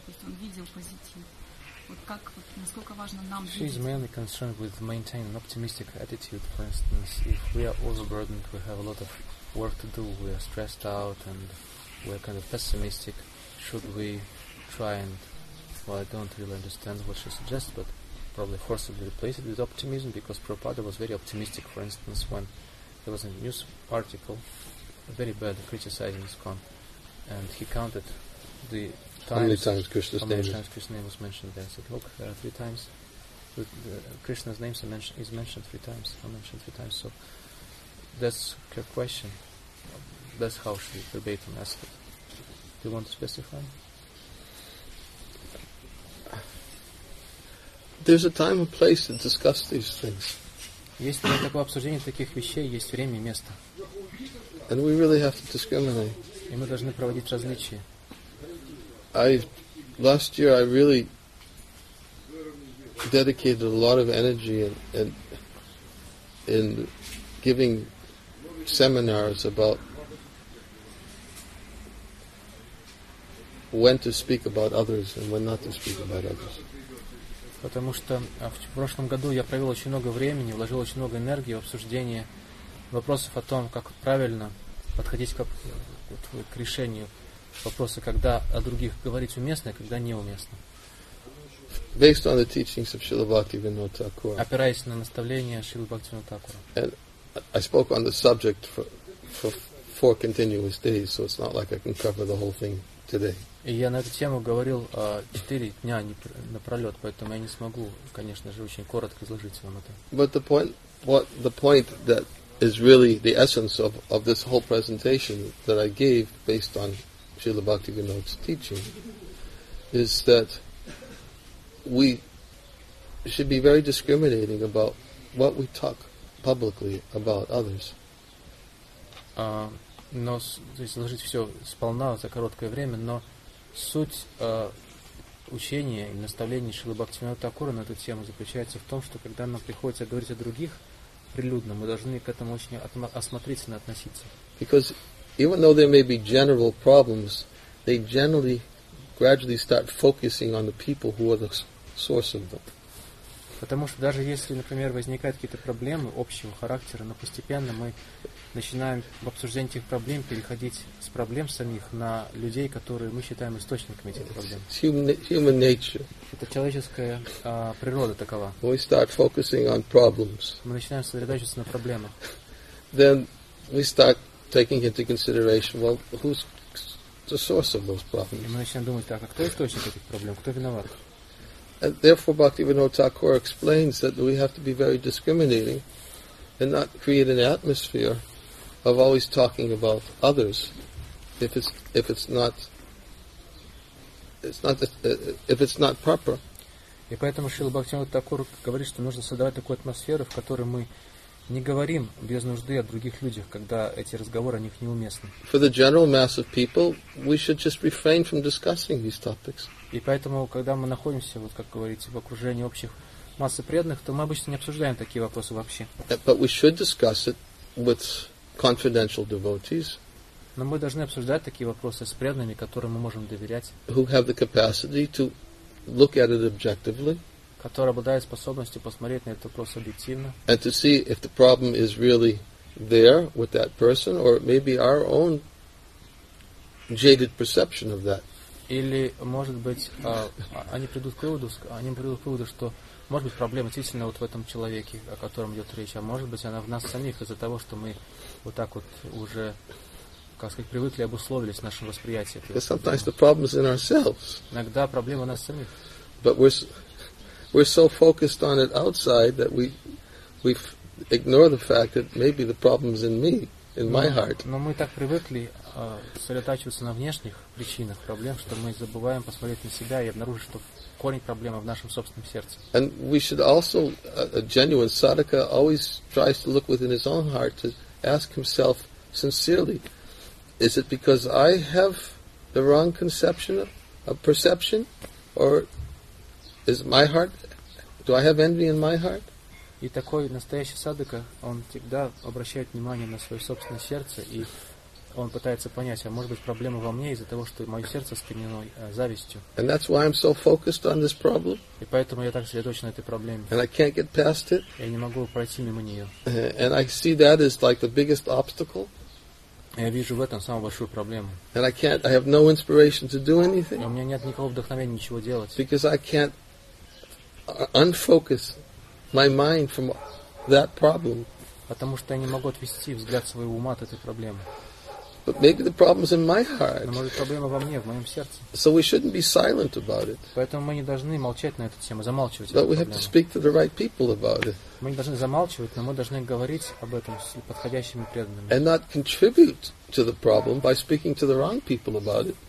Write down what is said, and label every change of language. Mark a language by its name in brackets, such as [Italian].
[Russian] То есть он видел позитив. Вот как, вот, насколько важно нам [English] She [Russian] видеть. [English] She is mainly concerned with maintaining an optimistic attitude, for instance. If we are overburdened, we have a lot of work to do, we are stressed out, and we are kind of pessimistic, should we try and... Well, I don't really understand what she suggests, but probably forcibly replace it with optimism, because Prabhupada was very optimistic, for instance, when there was a news article, very bad, criticizing ISKCON, and he counted the times... How many times Krishna's name was mentioned there. I said, look, there are 3 times. Krishna's name is mentioned 3 times. I mentioned 3 times, so that's her question. That's how she verbatim asked it. Do you want to specify? There's a time and place to discuss these things. [Russian] Есть для такого обсуждения таких вещей есть время и место. [English] And we really have to discriminate. [Russian] И мы должны проводить различия. [English] Last year I really dedicated a lot of energy in giving seminars about when to speak about others and when not to speak about others. [Russian] Потому что в прошлом году я провел очень много времени, вложил очень много энергии в обсуждение вопросов о том, как правильно подходить к решению вопроса, когда о других говорить уместно, а когда неуместно. [English] Based on the teachings of Srila Bhakti Vinod Thakur. [Russian] Опираясь на наставления Шрилы Бхакти Винод Тхакура. [English] And I spoke on the subject for 4 continuous days, so it's not like I can cover the whole thing today. [Russian] И я на эту тему говорил 4 дня напролет, поэтому я не смогу, конечно же, очень коротко изложить вам это. [English] But the point that is really the essence of this whole presentation that I gave based on Srila Bhakti Vinod's teaching is that we should be very discriminating about what we talk publicly about others. [Russian] Но то есть изложить все сполна за короткое время, но суть учения и наставления Шрилы Бхактивинода Тхакура на эту тему заключается в том, что когда нам приходится говорить о других прилюдно, мы должны к этому очень осмотрительно относиться. [English] Because even though there may be general problems, they generally gradually start focusing on the people who are the source of them. [Russian] Потому что даже если, например, возникают какие-то проблемы общего характера, но постепенно мы начинаем в обсуждении этих проблем переходить с проблем самих на людей, которые мы считаем источниками этих проблем. [English] Human nature. [Russian] Это человеческая природа такова. [English] When we start focusing on problems. [Russian] Мы начинаем сосредотачиваться на проблемах. [English] Then we start taking into consideration, well, who's the source of those problems? [Russian] И мы начинаем думать, так, а кто источник этих проблем, кто виноват? [English] And therefore, Bhaktivinoda Thakur explains that we have to be very discriminating and not create an atmosphere of always talking about others if it's not proper. [Russian] И поэтому Шрила Бхактивинода Такур говорит, что нужно создавать такую атмосферу, в которой мы не говорим без нужды о других людях, когда эти разговоры о них неуместны. [English] For the general mass of people, we should just refrain from discussing these topics. [Russian] И поэтому, когда мы находимся, вот как говорится, в окружении общих массы преданных, то мы обычно не обсуждаем такие вопросы вообще. [English] But we should discuss it with confidential devotees. [Russian] Но мы должны обсуждать такие вопросы с преданными, которым мы можем доверять. [English] Who have the capacity to look at it objectively. [Russian] Который обладает способностью посмотреть на этот вопрос объективно. [English] And to see if the problem is really there with that person, or maybe our own jaded perception of that. [Russian] Или, может быть, они придут к выводу, что, может быть, проблема действительно вот в этом человеке, о котором идет речь, а может быть, она в нас самих из-за того, что мы вот так вот уже, как сказать, привыкли, обусловились в нашем восприятии. [English] Because sometimes the problem is in ourselves. [Russian] Иногда проблема в нас самих. [English] But we're so focused on it outside that we ignore the fact that maybe the problem's in me, in my heart. [Russian] Но мы так привыкли сосредотачиваться на внешних причинах проблем, что мы забываем посмотреть на себя и обнаружить, что корень проблемы в нашем собственном сердце. [English] And we should also, a genuine sadhaka always tries to look within his own heart to ask himself sincerely, is it because I have the wrong conception of perception, or is my heart, do I have envy in my heart? [Russian] И такой настоящий садыка, он всегда обращает внимание на свое собственное сердце, и он пытается понять, а может быть проблема во мне из-за того, что мое сердце скреплено завистью. [English] And that's why I'm so focused on this problem. [Russian] И поэтому я так сосредоточен на этой проблеме. [English] And I can't get past it. [Russian] Я не могу пройти мимо нее. [English] And I see that as like the biggest obstacle. [Russian] Я вижу в этом самую большую проблему. [English] And I can't, I have no inspiration to do anything. [Russian] У меня нет никакого вдохновения ничего делать. [English] Because I can't unfocus my mind from that problem. [Russian] Потому что я не могу отвести взгляд своего ума от этой проблемы. [English] But maybe the problem's in my heart. [Russian] Но может проблема во мне, в моем сердце. [English] So we shouldn't be silent about it. [Russian] Поэтому мы не должны молчать на эту тему, замалчивать эту проблему. [English] But we have to speak to the right people about it. [Russian] Мы не должны замалчивать, но мы должны говорить об этом с подходящими преданными. [English] And not contribute to the problem by speaking to the wrong people about it.